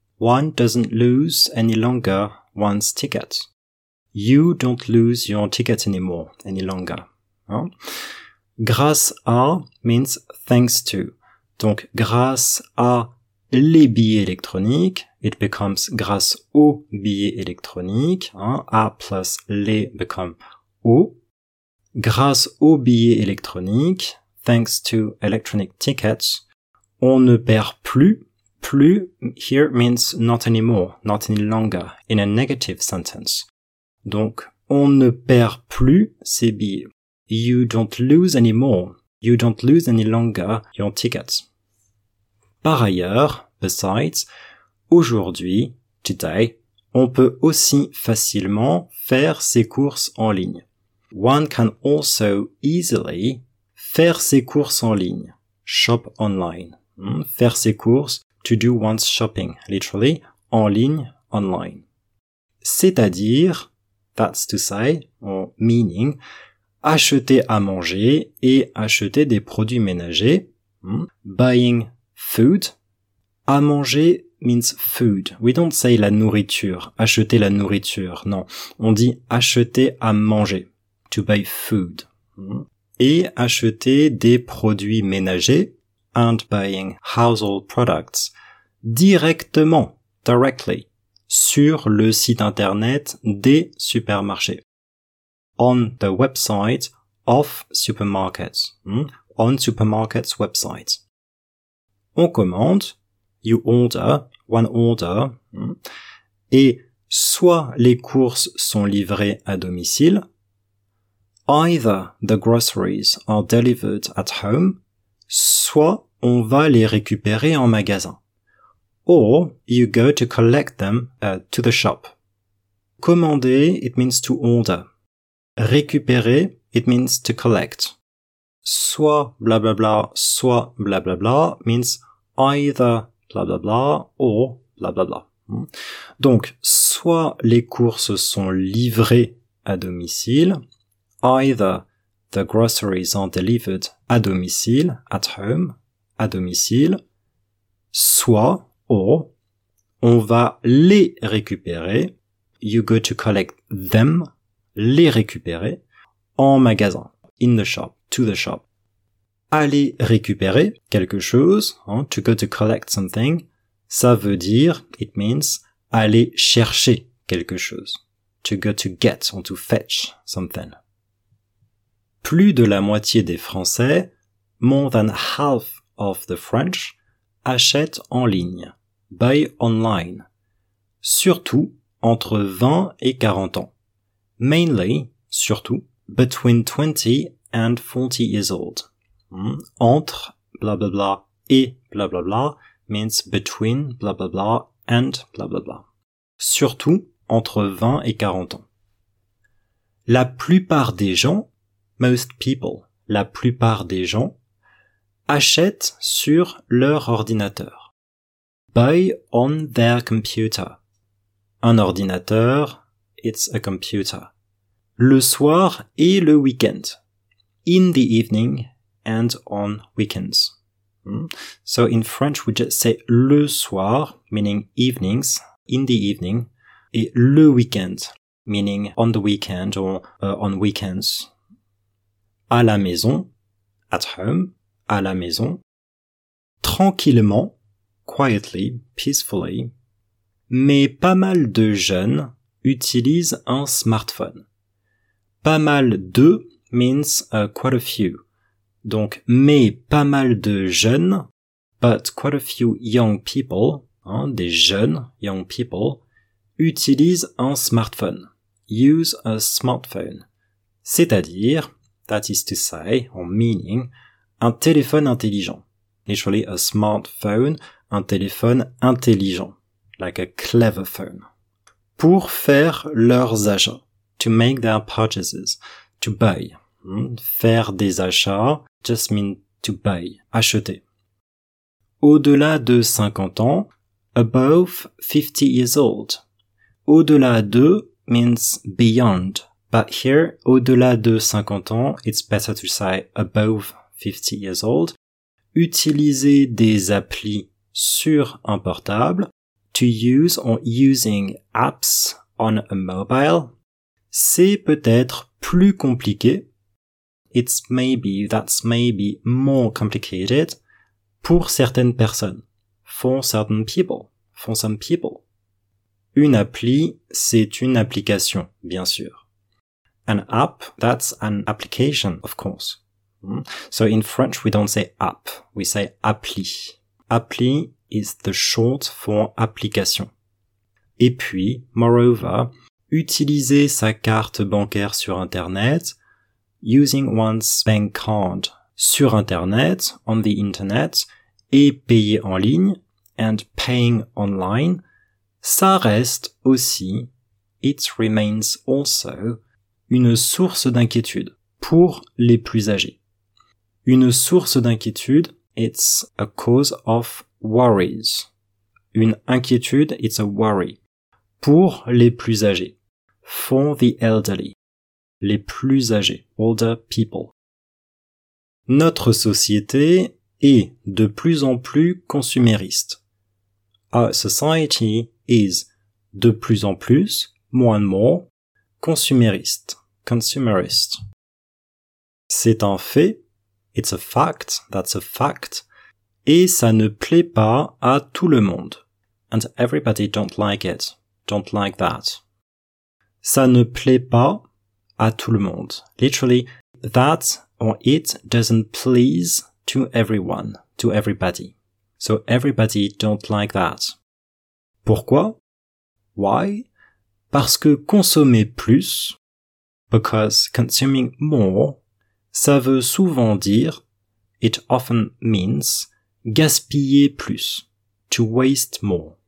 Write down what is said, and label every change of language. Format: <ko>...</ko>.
<en>One doesn't lose any longer one's ticket. You don't lose your ticket anymore, any longer.</en> <fr>Hein? Grâce à</fr> <en>means thanks to.</en> <fr>Donc, grâce à les billets électroniques,</fr> <en>it becomes</en> <fr>grâce aux billets électroniques, hein, à plus les become au. Grâce aux billets électroniques,</fr> <en>thanks to electronic tickets,</en> <fr>on ne perd plus, plus,</fr> <en>here means not anymore, not any longer, in a negative sentence.</en> <fr>Donc, on ne perd plus ses billets.</fr> <en>You don't lose anymore, you don't lose any longer your tickets.</en> <fr>Par ailleurs,</fr> <en>besides,</en> <fr>aujourd'hui,</fr> <en>today,</en> <fr>on peut aussi facilement faire ses courses en ligne.</fr> <en>One can also easily</en> <fr>faire ses courses en ligne,</fr> <en>shop online.</en> <fr>Faire ses courses,</fr> <en>to do one's shopping, literally,</en> <fr>en ligne,</fr> <en>online.</en> <fr>C'est-à-dire,</fr> <en>that's to say, or meaning,</en> <fr>acheter à manger et acheter des produits ménagers.</fr> <en>Buying food.</en> <fr>À manger</fr> <en>means food. We don't say</en> <fr>la nourriture, acheter la nourriture. Non, on dit acheter à manger.</fr> <en>To buy food.</en> <fr>Et acheter des produits ménagers.</fr> <en>And buying household products.</en> <fr>Directement,</fr> <en>directly,</en> <fr>sur le site internet des supermarchés.</fr> <en>On the website of supermarkets. On supermarkets website.</en> <fr>On commande.</fr> <en>You order, one order.</en> <fr>Et soit les courses sont livrées à domicile.</fr> <en>Either the groceries are delivered at home.</en> <fr>Soit on va les récupérer en magasin.</fr> <en>Or you go to collect them to the shop.</en> <fr>Commander,</fr> <en>it means to order.</en> <fr>Récupérer,</fr> <en>it means to collect.</en> <fr>Soit blablabla, soit blablabla</fr> <en>means either blablabla or blablabla.</en> <fr>Donc, soit les courses sont livrées à domicile,</fr> <en>either the groceries are delivered</en> <fr>à domicile,</fr> <en>at home,</en> <fr>à domicile, soit, or, on va les récupérer,</fr> <en>you go to collect them,</en> <fr>les récupérer, en magasin,</fr> <en>in the shop, to the shop.</en> <fr>Aller récupérer quelque chose, hein,</fr> <en>to go to collect something,</en> <fr>ça veut dire,</fr> <en>it means,</en> <fr>aller chercher quelque chose.</fr> <en>To go to get or to fetch something.</en> <fr>Plus de la moitié des Français,</fr> <en>more than half of the French,</en> <fr>achètent en ligne,</fr> <en>buy online.</en> <fr>Surtout entre 20 et 40 ans.</fr> <en>Mainly,</en> <fr>surtout,</fr> <en>between 20 and 40 years old.</en> <fr>Entre blablabla et blablabla</fr> <en>means between blablabla and blablabla.</en> <fr>Surtout entre 20 et 40 ans. La plupart des gens,</fr> <en>most people,</en> <fr>la plupart des gens achètent sur leur ordinateur.</fr> <en>Buy on their computer.</en> <fr>Un ordinateur,</fr> <en>it's a computer.</en> <fr>Le soir et le week-end.</fr> <en>In the evening and on weekends. So in French, we just say</en> <fr>le soir,</fr> <en>meaning evenings, in the evening,</en> <fr>et le week-end,</fr> <en>meaning on the weekend or on weekends.</en> <fr>À la maison,</fr> <en>at home,</en> <fr>à la maison. Tranquillement,</fr> <en>quietly, peacefully.</en> <fr>Mais pas mal de jeunes utilisent un smartphone. Pas mal de</fr> <en>means quite a few.</en> <fr>Donc, mais pas mal de jeunes,</fr> <en>but quite a few young people,</en> <fr>hein, des jeunes,</fr> <en>young people,</en> <fr>utilisent un smartphone.</fr> <en>Use a smartphone.</en> <fr>C'est-à-dire,</fr> <en>that is to say, or meaning,</en> <fr>un téléphone intelligent.</fr> <en>Literally, a smartphone,</en> <fr>un téléphone intelligent.</fr> <en>Like a clever phone.</en> <fr>Pour faire leurs achats.</fr> <en>To make their purchases. To buy.</en> <fr>Faire des achats</fr> <en>just mean to buy,</en> <fr>acheter. Au-delà de 50 ans,</fr> <en>above 50 years old.</en> <fr>Au-delà de</fr> <en>means beyond. But here,</en> <fr>au-delà de 50 ans,</fr> <en>it's better to say above 50 years old.</en> <fr>Utiliser des applis sur un portable.</fr> <en>To use or using apps on a mobile.</en> <fr>C'est peut-être plus compliqué.</fr> <en>It's maybe, that's maybe more complicated</en> <fr>pour certaines personnes.</fr> <en>For certain people, for some people.</en> <fr>Une appli, c'est une application, bien sûr.</fr> <en>An app, that's an application, of course. So in French, we don't say app, we say appli. Appli is the short for application.</en> <fr>Et puis,</fr> <en>moreover,</en> <fr>utiliser sa carte bancaire sur Internet,</fr> <en>using one's bank card</en> <fr>sur Internet,</fr> <en>on the Internet,</en> <fr>et payer en ligne,</fr> <en>and paying online,</en> <fr>ça reste aussi,</fr> <en>it remains also,</en> <fr>une source d'inquiétude pour les plus âgés. Une source d'inquiétude,</fr> <en>it's a cause of worries.</en> <fr>Une inquiétude,</fr> <en>it's a worry,</en> <fr>pour les plus âgés,</fr> <en>for the elderly.</en> <fr>les plus âgés,</fr> <en>older people.</en> <fr>Notre société est de plus en plus consumériste.</fr> <en>Our society is</en> <fr>de plus en plus,</fr> <en>more and more,</en> <fr>consumériste,</fr> <en>consumerist.</en> <fr>C'est un fait,</fr> <en>it's a fact, that's a fact,</en> <fr>et ça ne plaît pas à tout le monde.</fr> <en>And everybody don't like it, don't like that.</en> <fr>Ça ne plaît pas à tout le monde.</fr> <en>Literally, that or it doesn't please to everyone, to everybody. So everybody don't like that.</en> <fr>Pourquoi?</fr> <en>Why?</en> <fr>Parce que consommer plus,</fr> <en>because consuming more,</en> <fr>ça veut souvent dire,</fr> <en>it often means,</en> <fr>gaspiller plus,</fr> <en>to waste more.</en>